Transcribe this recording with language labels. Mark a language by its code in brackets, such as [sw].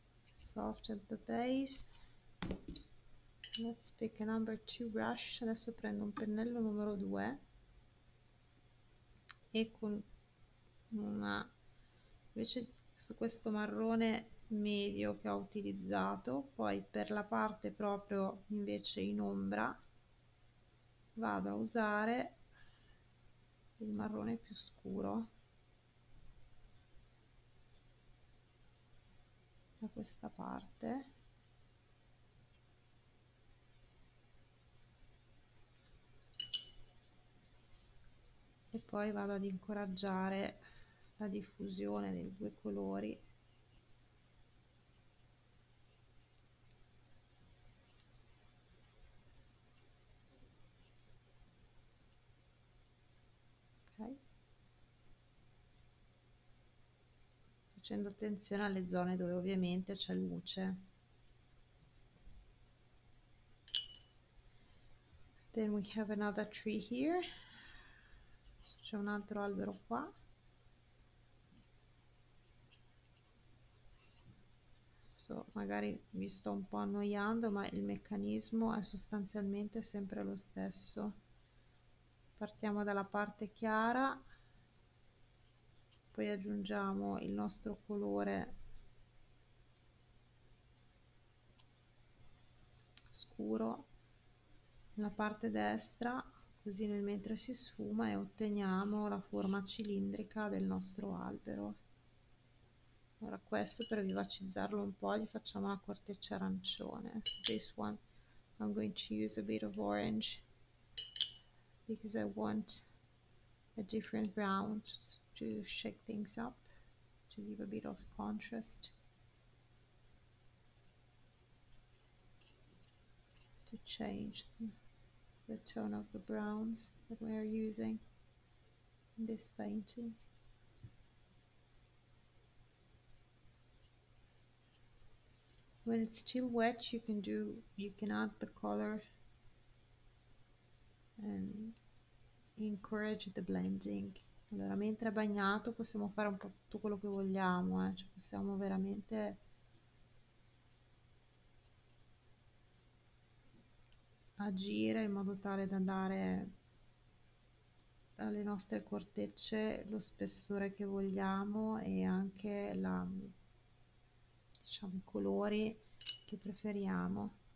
[en] Soft at the base. Let's pick a number 2 brush. [it] Adesso prendo un pennello numero 2 e con una invece su questo marrone medio che ho utilizzato, poi per la parte proprio invece in ombra vado a usare il marrone più scuro da questa parte. E poi vado ad incoraggiare la diffusione dei due colori. Ok, facendo attenzione alle zone dove ovviamente c'è luce. [en] Then we have another tree here. [it] C'è un altro albero qua. So, magari mi sto un po' annoiando, ma il meccanismo è sostanzialmente sempre lo stesso. Partiamo dalla parte chiara, poi aggiungiamo il nostro colore scuro nella parte destra, così nel mentre si sfuma e otteniamo la forma cilindrica del nostro albero. Ora questo per vivacizzarlo un po' gli facciamo la corteccia arancione. [en] This one I'm going to use a bit of orange because I want a different brown to shake things up, to give a bit of contrast, to change the tone of the browns that we are using in this painting. When it's still wet, you can add the color and encourage the blending. [it] Allora, mentre è bagnato possiamo fare un po' tutto quello che vogliamo, cioè possiamo veramente agire in modo tale da dare alle nostre cortecce lo spessore che vogliamo e anche diciamo, i colori che preferiamo.